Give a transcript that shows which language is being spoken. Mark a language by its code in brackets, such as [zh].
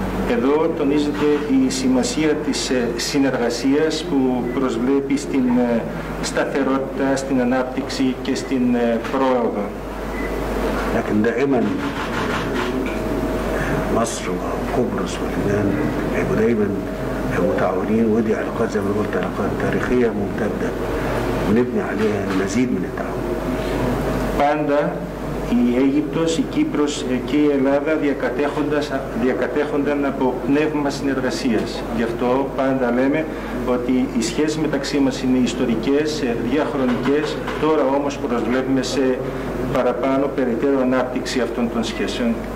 [el] Εδώ τονίζεται η σημασία της συνεργασίας που προσβλέπει στην σταθερότητα, στην ανάπτυξη και στην πρόοδο. [ar] لكن دائما مصر وقبرص واليونان هم دائما متعاونين، ودي علاقات زي ما قلت علاقات تاريخية ممتدة ونبني عليها المزيد من التعاون. [el] Πάντα η Αίγυπτος, η Κύπρος και η Ελλάδα διακατέχονταν από πνεύμα συνεργασίας. Γι' αυτό πάντα λέμε ότι οι σχέσεις μεταξύ μας είναι ιστορικές, διαχρονικές, τώρα όμως προσβλέπουμε σε παραπάνω περαιτέρω ανάπτυξη αυτών των σχέσεων.